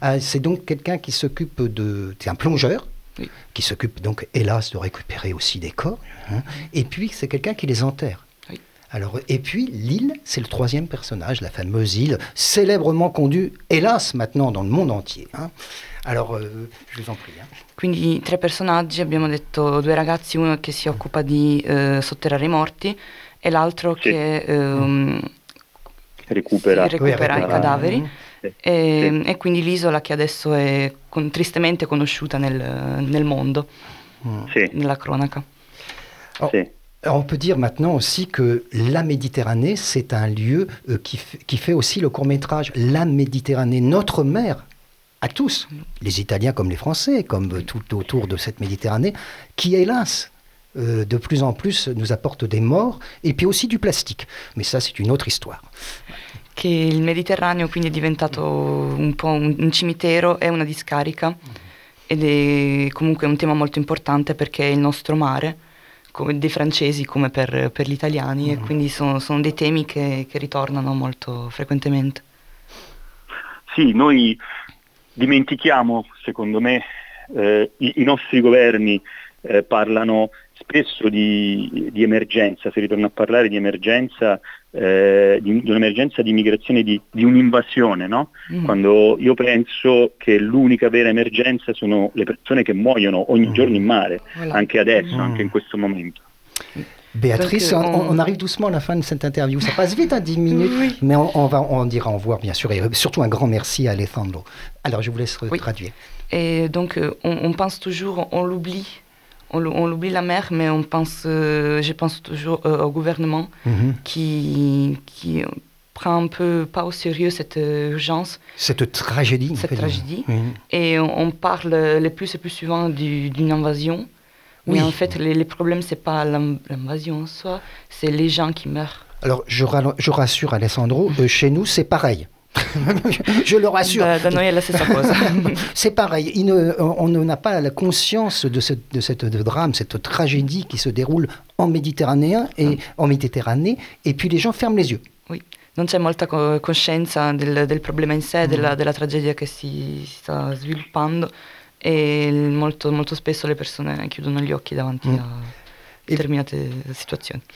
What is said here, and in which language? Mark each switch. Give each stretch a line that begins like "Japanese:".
French: C'est donc quelqu'un qui s'occupe de... C'est un plongeur, qui s'occupe donc, hélas, de récupérer aussi des corps. Et puis, c'est quelqu'un qui les enterre. Alors, et puis, l'île, c'est le troisième personnage, la fameuse île, célèbrement connue, hélas, maintenant, dans le monde entier. Alors, je vous en prie.
Italian: Quindi, tre personaggi, abbiamo detto, due ragazzi, uno che si occupa di sotterrare i morti, e l'altro sì, che recupera i cadaveri, e quindi l'isola che adesso è tristemente conosciuta nel mondo, nella cronaca.
French: On peut dire maintenant aussi que la Méditerranée, c'est un lieu qui fait aussi le court-métrage. La Méditerranée, notre mer, à tous, les Italiens comme les Français, comme tout autour de cette Méditerranée, qui hélas... de plus en plus nous apporte des morts et puis aussi du plastique, mais ça c'est une autre histoire.
Italian: Che il Mediterraneo quindi è diventato un po' un cimitero e una discarica, ed è comunque un tema molto importante perché è il nostro mare, come dei francesi come per gli italiani, e quindi sono dei temi che ritornano molto frequentemente. Sì, noi dimentichiamo, secondo me, i nostri governi parlano spesso di emergenza, si ritorna a parlare di emergenza, di un'emergenza di migrazione, di un'invasione, no? Quando io penso che l'unica vera emergenza sono le persone che muoiono ogni giorno in mare, anche adesso, anche in questo momento.
French: Béatrice, on arrive doucement à la fin de cette interview. Ça passe vite à 10 minutes, mais on dira au revoir, bien sûr. Et surtout, un grand merci à Alessandro. Alors, je vous laisse traduire. Et donc, on pense toujours, on l'oublie. On l'oublie la mer, mais on pense, je pense toujours au gouvernement qui prend un peu pas au sérieux cette urgence. Cette tragédie. Et on parle le plus souvent d'une invasion. Oui. Mais en fait, les problèmes, ce n'est pas l'invasion en soi, c'est les gens qui meurent. Alors, je rassure Alessandro, chez nous, c'est pareil. Je le rassure.
Italian: Da noi è la stessa cosa.
French: C'est pareil. On n'a pas la conscience de ce drame, cette tragédie qui se déroule en Méditerranée et puis les gens ferment les yeux. Oui.
Italian: Non c'è molta coscienza del problema in sé, della tragedia che si sta sviluppando, e molto molto spesso le persone chiudono gli occhi davanti a determinate situazioni.